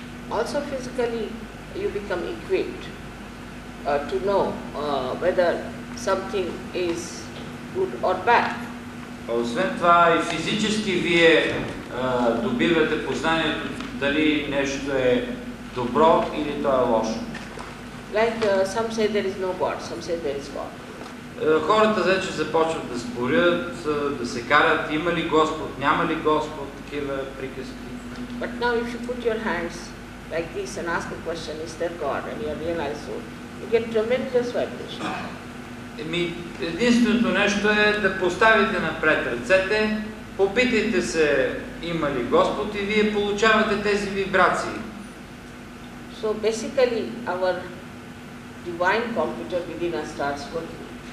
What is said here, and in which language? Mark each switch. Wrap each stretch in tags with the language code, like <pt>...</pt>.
<en>Also physically you become equipped to know whether something is good or bad.</en> <bg>Освен това и физически вие добивате познанието дали нещо е добро или то е лошо.</bg> <en>Like some say there is no God, some say there is God.</en> <bg>Хората вече започват да спорят, да се карат, има ли Господ, няма ли Господ, такива приказки.</bg> <en>But now if you put your hands like this and ask a question, is there God, and you realize so, you get tremendous vibration.</en> <bg>Единственото нещо е да поставите напред ръцете, попитайте се има ли Господ и вие получавате тези вибрации.</bg> <en>So basically our divine computer within us starts working.</en>